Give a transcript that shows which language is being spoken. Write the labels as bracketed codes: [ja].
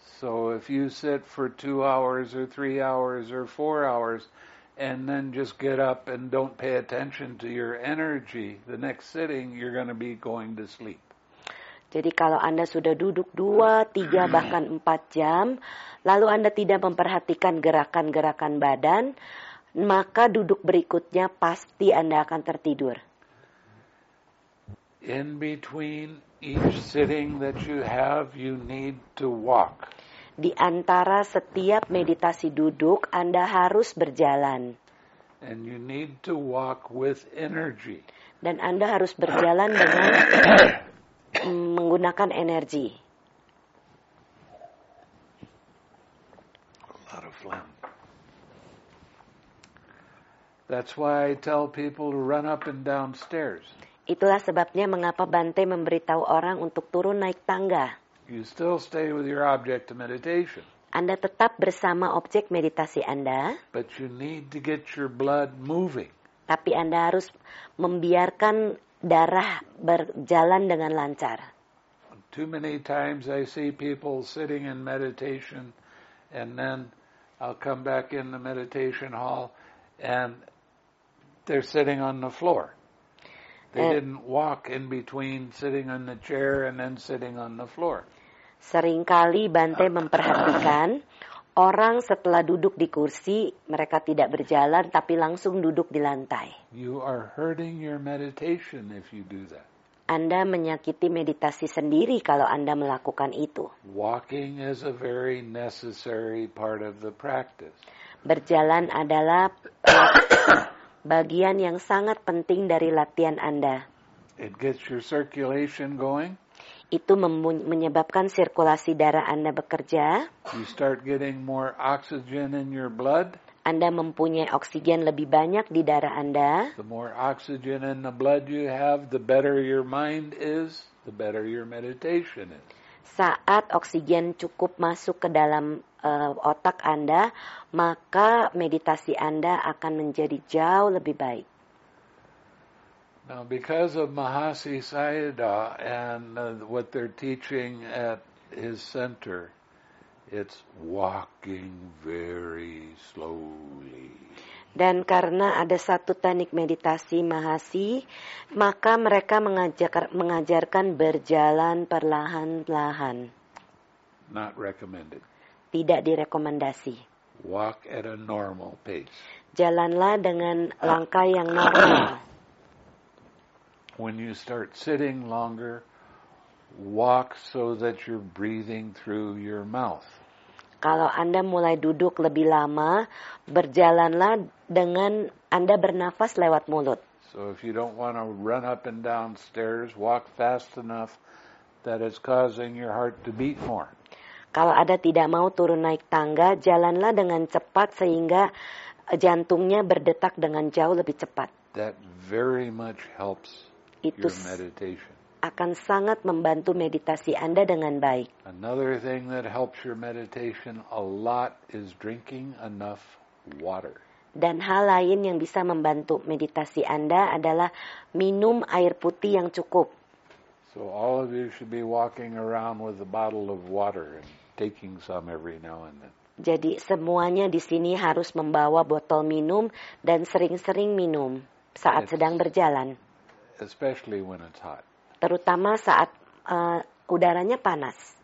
[en] So if you sit for 2 hours or 3 hours or 4 hours and then just get up and don't pay attention to your energy, the next sitting you're going to be going to sleep. [id] Jadi kalau Anda sudah duduk 2, 3, bahkan 4 jam, lalu Anda tidak memperhatikan gerakan-gerakan badan, maka duduk berikutnya pasti Anda akan tertidur. [en] In between each sitting that you have, you need to walk. [id] Di antara setiap meditasi duduk, Anda harus berjalan. [en] And you need to walk with energy. [id] Dan Anda harus berjalan dengan menggunakan energi. [en] A lot of phlegm. That's why I tell people to run up and down stairs. [id] Itulah sebabnya mengapa Bante memberitahu orang untuk turun naik tangga. [en] You still stay with your object of meditation. [id] Anda tetap bersama objek meditasi Anda. [en] But you need to get your blood moving. [id] Tapi Anda harus membiarkan darah berjalan dengan lancar. [en] Too many times I see people sitting in meditation and then I'll come back in the meditation hall and they're sitting on the floor. They didn't walk in between sitting on the chair and then sitting on the floor. [id] Seringkali Bante memperhatikan orang setelah duduk di kursi, mereka tidak berjalan tapi langsung duduk di lantai. [en] You are hurting your meditation if you do that. [id] Anda menyakiti meditasi sendiri kalau Anda melakukan itu. [en] Walking is a very necessary part of the practice. [id] Berjalan adalah bagian yang sangat penting dari latihan Anda. [en] It gets your circulation going. [id] Itu menyebabkan sirkulasi darah Anda bekerja. [en] You start getting more oxygen in your blood. [id] Anda mempunyai oksigen lebih banyak di darah Anda. [en] The more oxygen in the blood you have, the better your mind is, the better your meditation is. [id] Saat oksigen cukup masuk ke dalam otak Anda, maka meditasi Anda akan menjadi jauh lebih baik. [en] Now, because of Mahasi Sayadaw and what they're teaching at his center, it's walking very slowly. [id] Dan karena ada satu teknik meditasi Mahasi, maka mereka mengajarkan berjalan perlahan-lahan. [en] Not recommended. [id] Tidak direkomendasi. [en] Walk at a normal pace. [id] Jalanlah dengan langkah yang normal. [en] When you start sitting longer, walk so that you're breathing through your mouth. [id] Kalau Anda mulai duduk lebih lama, berjalanlah dengan Anda bernafas lewat mulut. [en] So if you don't want to run up and down stairs, walk fast enough that it's causing your heart to beat more. [id] Kalau Anda tidak mau turun naik tangga, jalanlah dengan cepat sehingga jantungnya berdetak dengan jauh lebih cepat. [en] That very much helps [id] itu [en] your meditation. [id] Akan sangat membantu meditasi Anda dengan baik. [en] Another thing that helps your meditation a lot is drinking enough water. [id] Dan hal lain yang bisa membantu meditasi Anda adalah minum air putih yang cukup. [en] So all of you should be walking around with a bottle of water and taking some every now and then. [id] Jadi semuanya di sini harus membawa botol minum dan sering-sering minum saat sedang berjalan. [en] Especially when it's hot. [id] Terutama saat udaranya panas.